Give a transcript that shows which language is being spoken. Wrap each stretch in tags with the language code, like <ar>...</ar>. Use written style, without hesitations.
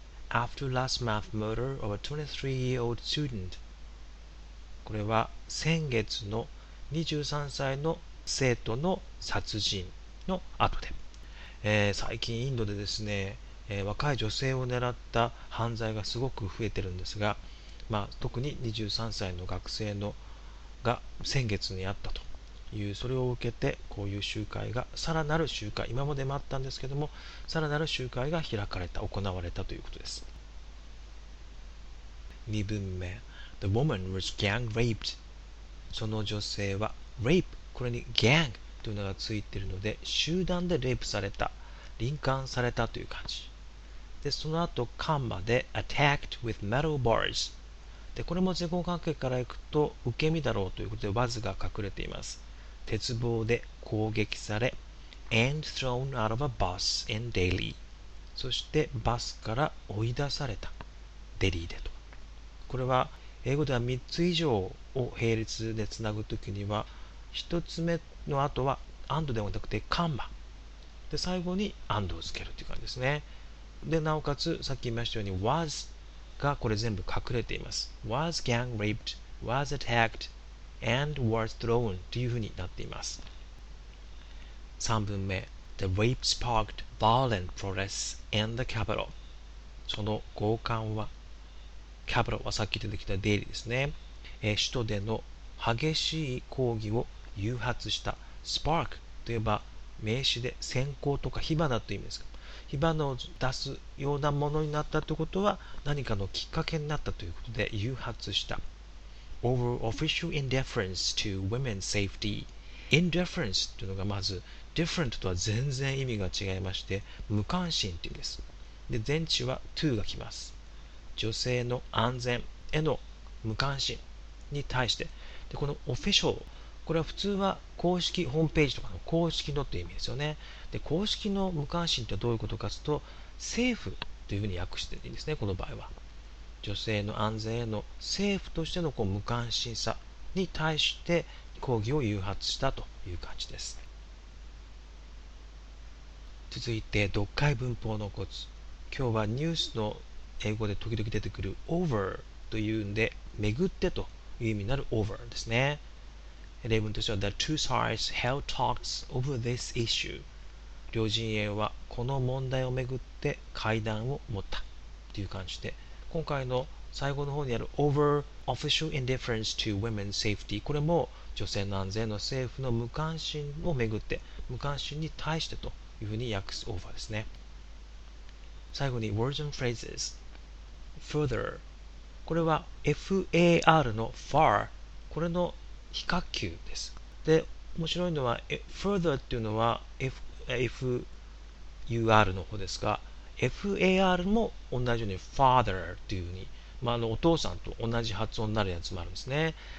<en>After last month's murder of a 23-year-old student、</en> <ja>これは先月の23歳の生徒の殺人の後で、最近インドでですね、若い女性を狙った犯罪がすごく増えてるんですが、まあ、特に23歳の学生のが先月にあったという、それを受けてこういう集会が、さらなる集会、今までもあったんですけども、さらなる集会が開かれた、行われたということです。 2文目、</ja> <en>The woman was gang raped。</en> <ja>その女性は rape、 これに gang というのがついているので、集団でレイプされた、輪姦されたという感じで、その後カンマで</ja> <en>attacked with metal bars。</en> <ja>で、これも前後関係からいくと受け身だろうということで、わずが隠れています。鉄棒で攻撃され、</ja> <en>and thrown out of a bus in Delhi、</en> <ja>そしてバスから追い出された、デリーでと。これは英語では3つ以上を並列でつなぐときには、1つ目の後は and ではなくてカンマで、最後に and をつけるという感じですね。で、なおかつさっき言いましたように wasが、これ全部隠れています。</ja> <en>was gang raped, was attacked, and was thrown</en> <ja>というふうになっています。 3文目、</ja> <en>The rape sparked violent protests in the capital。</en> <ja>その強姦は、 capital はさっき出てきたデイリーですね、首都での激しい抗議を誘発した。 spark といえば名詞で閃光とか火花という意味ですか、火花を出すようなものになったということは、何かのきっかけになったということで、誘発した。</ja> <en>Over official indifference to women's safety.</en> <ja>Indifference というのがまず、different とは全然意味が違いまして、無関心という意味です。で、前置は to が来ます。女性の安全への無関心に対して、で、この official、これは普通は公式ホームページとかの公式のという意味ですよね。で、公式の無関心とはどういうことかというと、政府というふうに訳していいんですね、この場合は。女性の安全への政府としてのこう無関心さに対して抗議を誘発したという感じです。続いて、読解文法のコツ。今日はニュースの英語で時々出てくる over というんで、巡ってという意味になる over ですね。例文としては、</ja> <en>The two sides held talks over this issue。</en> <ja>両陣営はこの問題をめぐって会談を持ったという感じで、今回の最後の方にある</ja> <en>Over official indifference to women's safety、</en> <ja>これも女性の安全の政府の無関心をめぐって、無関心に対してというふうに訳す Over ですね。最後に</ja> <en>Words and phrases。</en> <ja>Further、 これは FAR の Far、 これの比較級です。で、面白いのは Further っていうのは FUR の方ですが、 FAR も同じように Father というふうに、まあ、あのお父さんと同じ発音になるやつもあるんですね。</ja>